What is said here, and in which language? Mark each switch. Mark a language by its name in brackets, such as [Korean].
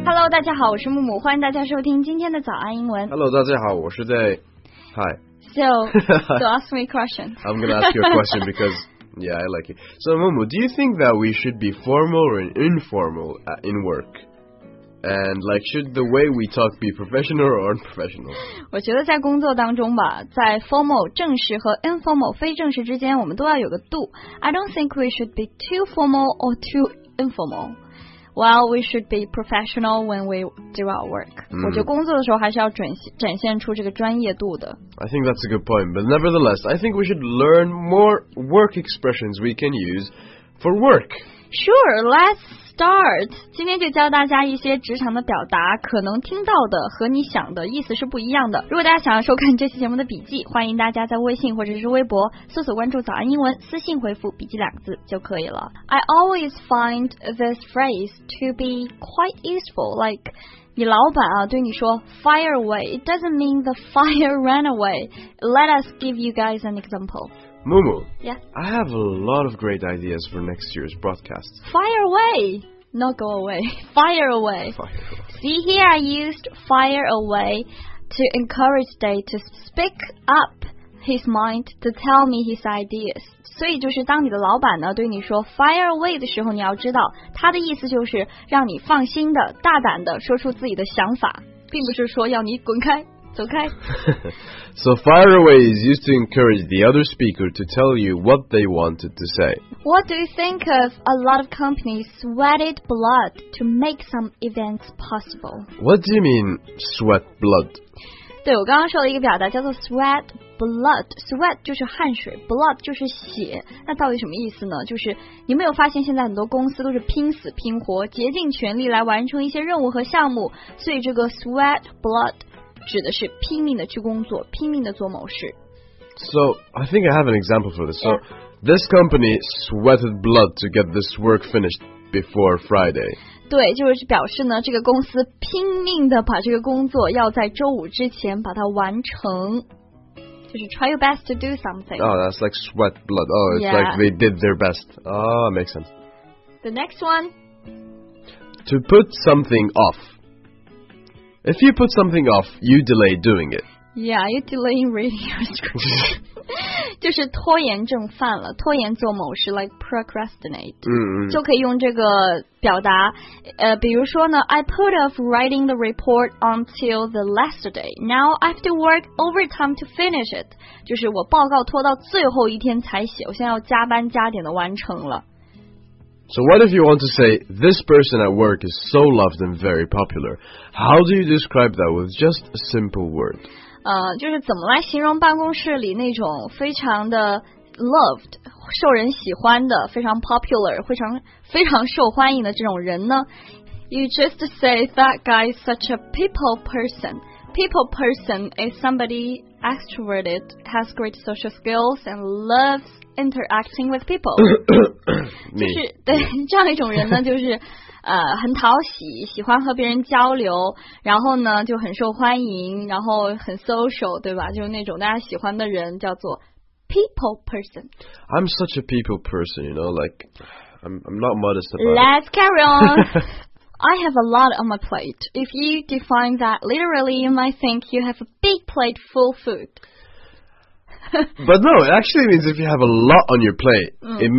[Chinese] 大家好，我是木木，欢迎大家收听今天的早安英文。 Hello， 大家好，我是在 Hi。 [English] So ask me a question. I'm gonna ask you a question because yeah, I like it. So Mumu, do you think that we should be formal or informal in work? And like, should the way we talk be professional or unprofessional? [Chinese] 我觉得在工作当中吧，在 formal 正式和 informal 非正式之间，我们都要有个度。 [English] I don't think we should be too formal or too informal. Well, we should be professional when we do our work.、Mm. [Chinese] 我觉得工作的时候还是要展现出这个专业度的。 [English] I think that's a good point. But nevertheless, I think we should learn more work expressions we can use for work. Sure, let's start. [Chinese] 今天就教大家一些职场的表达，可能听到的和你想的意思是不一样的。如果大家想要收看这期节目的笔记，欢迎大家在微信或者是微博搜索关注早安英文，私信回复笔记两个字就可以了。 [English] I always find this phrase to be quite useful, like... [Chinese] 你老板啊对你说 [English] fire away, it doesn't mean the fire ran away. Let us give you guys an example. Mumu. Yeah? I have a lot of great ideas for next year's broadcast. Fire away, not go away. Fire away. Fire. See here I used fire away to encourage Dave to speak up his mind to tell me his ideas. [Chinese] 所以就是当你的老板呢对你说 fire away 的时候，你要知道他的意思就是让你放心的大胆的说出自己的想法，并不是说要你滚开走开。 [English] So fire away is used to encourage the other speaker to tell you what they wanted to say. What do you think of a lot of companies sweated blood to make some events possible? What do you mean sweat blood? [Chinese] 对，我刚刚说了一个表达叫做 sweatBlood, sweat 就是汗水 ，blood 就是血。那到底什么意思呢？就是你没有发现现在很多公司都是拼死拼活，竭尽全力来完成一些任务和项目，所以这个 sweat blood 指的是拼命的去工作，拼命的做某事。 [English] So I think I have an example for this. So this company sweated blood to get this work finished before Friday. [Chinese] 对，就是表示呢，这个公司拼命的把这个工作要在周五之前把它完成。 [English] Just try your best to do something. Oh, that's like sweat blood. Oh, it's、yeah. like they did their best. Oh, makes sense. The next one. To put something off. If you put something off, you delay doing it. Yeah, you're delaying reading your script. [Chinese] 就是拖延症犯了，拖延做某事 [English] like procrastinate、 mm-hmm. [Chinese] 就可以用这个表达比如说呢 [English] I put off writing the report until the last day. Now I have to work overtime to finish it. [Chinese] 就是我报告拖到最后一天才写，我现在要加班加点的完成了。 [English] So what if you want to say this person at work is so loved and very popular? How do you describe that with just a simple word? [Chinese] 就是怎么来形容办公室里那种非常的 loved, 受人喜欢的非常 popular, 非常受欢迎的这种人呢 [English] You just say that guy is such a people person. People person is somebody extroverted, has great social skills and loves interacting with people. [Chinese] 就是对这样一种人呢就是很讨喜，喜欢和别人交流，然后呢就很受欢迎，然后很 social, 对吧？就是那种大家喜欢的人，叫做 people person. [English] I'm such a people person, you know, like I'm not modest about Let's carry on. I have a lot on my plate. If you define that literally, you might think you have a big plate full food. But no, it actually means if you have a lot on your plate,、mm.